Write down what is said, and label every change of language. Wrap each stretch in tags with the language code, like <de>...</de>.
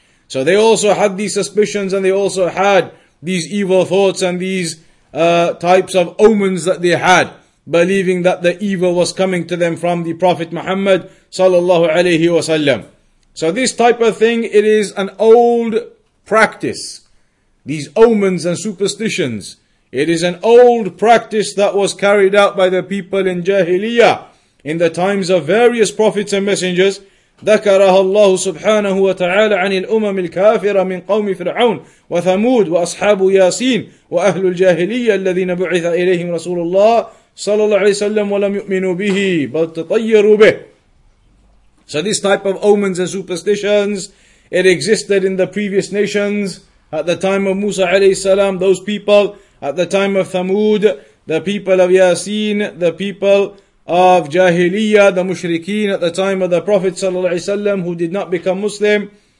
<en>So they also had these suspicions and they also had these evil thoughts and these types of omens that they had, believing that the evil was coming to them from the Prophet Muhammad sallallahu alayhi wasallam. So this type of thing, it is an old practice. These omens and superstitions, it is an old practice that was carried out by the people in Jahiliyyah, in the times of various prophets and messengers.</en> <ar>ذكرها الله سبحانه وتعالى عن الأمم الكافرة من قوم فرعون وثمود وأصحاب ياسين وأهل الجاهلية الذين بعث إليهم رسول الله صلى الله عليه وسلم ولم يؤمنوا به بل تطيروا به.</ar> <en>So this type of omens and superstitions, it existed in the previous nations at the time of Musa عليه السلام, those people at the time of Thamud, the people of Yasin, the people of Jahiliyyah, the Mushrikeen at the time of the Prophet ﷺ who did not become Muslim.</en>